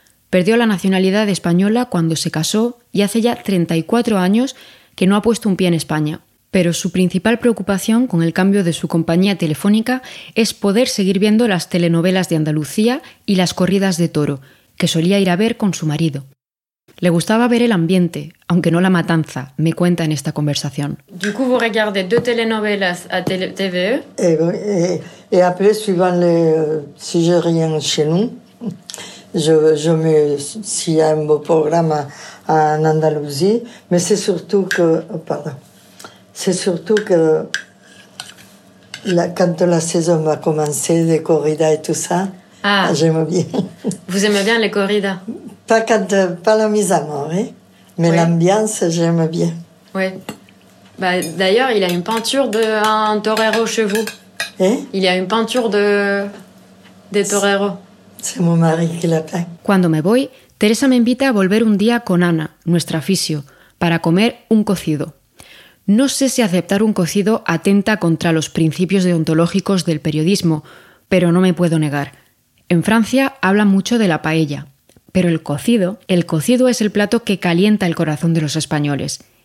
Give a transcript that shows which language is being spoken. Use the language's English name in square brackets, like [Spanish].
[Spanish] Perdió la nacionalidad española cuando se casó y hace ya 34 años que no ha puesto un pie en España. Pero su principal preocupación con el cambio de su compañía telefónica es poder seguir viendo las telenovelas de Andalucía y las corridas de toro, que solía ir a ver con su marido. Le gustaba ver el ambiente, aunque no la matanza, me cuenta en esta conversación. [French] Du coup, vous regardez deux telenovelas à TVE? Et après, suivant le, si je rien chez nous, je me, si y a un beau programme en Andalousie, mais c'est surtout que, pardon. C'est surtout que quand la saison va commencer, les corridas et tout ça, ah, j'aime bien. Vous aimez bien les corridas? Pas la mise à mort, hein, mais oui. L'ambiance, j'aime bien. Oui. Bah, d'ailleurs, il y a une peinture d'un torero chez vous. Hein? Il y a une peinture de torero. C'est mon mari qui l'a peint. Quand [Spanish] me voy, Teresa me invita a volver un día con Ana, nuestra fisio, para comer un cocido. No sé si aceptar un cocido atenta contra los principios deontológicos del periodismo, pero no me puedo negar. En Francia hablan mucho de la paella, pero el cocido es el plato que calienta el corazón de los españoles.